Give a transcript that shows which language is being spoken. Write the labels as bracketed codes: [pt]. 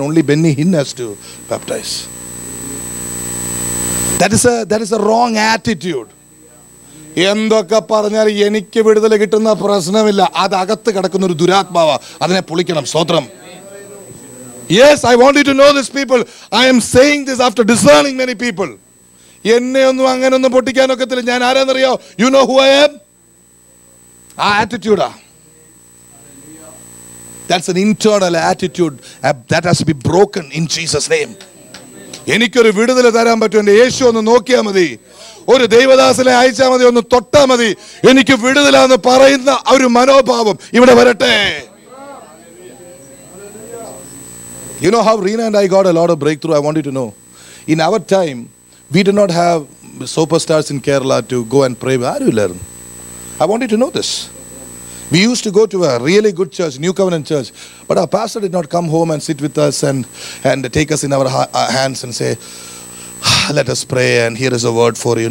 [en] Only Benny Hinn has to baptize. That is a wrong attitude. [ml] എന്തൊക്കെ പറഞ്ഞാൽ എനിക്ക് വിടുതൽ കിട്ടുന്ന പ്രശ്നമില്ല, അതകത്ത് കിടക്കുന്ന ഒരു ദുരാത്മാവ, അതിനെ പൊളിക്കണം. സ്തോത്രം. [en] Yes, I want you to know this people. I am saying this after discerning many people. [ml] എന്നെ ഒന്നും അങ്ങനെ ഒന്നും പൊട്ടിക്കാൻ ഒക്കത്തില്ല. ഞാൻ ആരാന്നറിയോ? [en] You know who I am? Ah, attitude. That's an internal attitude that has to be broken in Jesus' name. [ml] എനിക്കൊരു വിടുതൽ തരാൻ പറ്റും. എന്റെ യേശു ഒന്ന് നോക്കിയാൽ മതി, ഒരു ദൈവദാസനെ അയച്ചാൽ മതി, ഒന്ന് തൊട്ടാ മതി, എനിക്ക് വിടുതലാന്ന് പറയുന്ന ഒരു മനോഭാവം ഇവിടെ വരട്ടെ. [en] You know how Rina and I got a lot of breakthrough? I want you to know. In our time, we did not have superstars in Kerala to go and pray. Are you learning? I want you to know this. We used to go to a really good church, New Covenant Church. But our pastor did not come home and sit with us and take us in our hands and say, let us pray and here is a word for you.